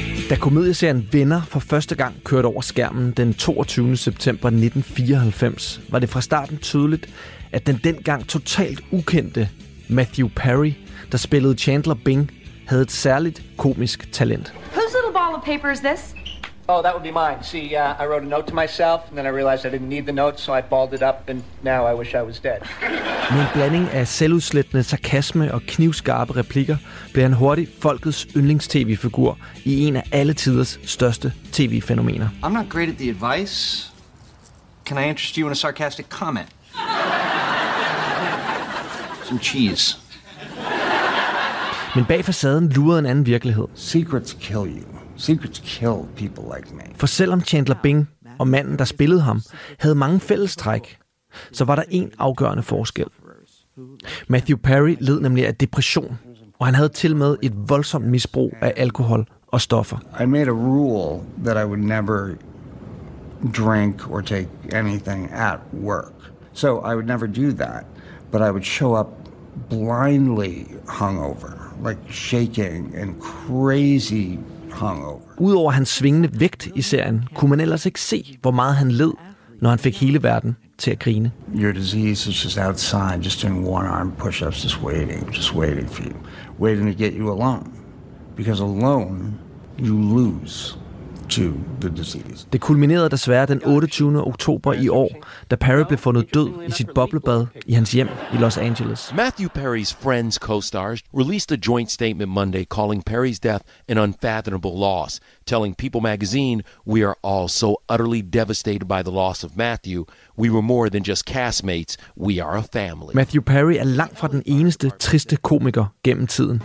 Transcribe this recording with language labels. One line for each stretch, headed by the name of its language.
Danish: Da komedieserien Venner for første gang kørte over skærmen den 22. september 1994, var det fra starten tydeligt, at den dengang totalt ukendte Matthew Perry, der spillede Chandler Bing, havde et særligt komisk talent.
English: Paper is this? Oh, that would be mine. See, I wrote a note to myself, and then I realized I didn't need the note, so I balled it up, and now I wish I was dead.
Danish: Med en blanding af selvudslættende sarkasme og knivskarpe replikker, blev han hurtigt folkets yndlings-tv-figur i en af alle tiders største tv-fænomener.
English: I'm not great at the advice. Can I interest you in a sarcastic comment? Some cheese.
Danish: Men bag facaden lurede en anden virkelighed.
English: Secrets kill you. Secrets kill people like me.
Danish: For selvom Chandler Bing og manden, der spillede ham, havde mange fælles træk, så var der en afgørende forskel. Matthew Perry led nemlig af depression, og han havde til med et voldsomt misbrug af alkohol og stoffer.
English: I made a rule that I would never drink or take anything at work. So I would never do that, but I would show up blindly hungover, like shaking and crazy.
Danish: Udover hans svingende vægt i serien, kunne man ellers ikke se, hvor meget han led, når han fik hele verden til at grine.
English: Your disease is just outside, just doing one arm push-ups, just waiting for you, waiting to get you alone. Because alone, you lose to the disease.
Danish: Det kulminerede desværre den 28. oktober i år, da Perry blev fundet død i sit boblebad i hans hjem i Los Angeles.
English: Matthew Perry's Friends co-stars released a joint statement Monday calling Perry's death an unfathomable loss, telling People magazine, "We are all so utterly devastated by the loss of Matthew. We were more than just castmates, we are a family."
Danish: Matthew Perry er langt fra den eneste triste komiker gennem tiden.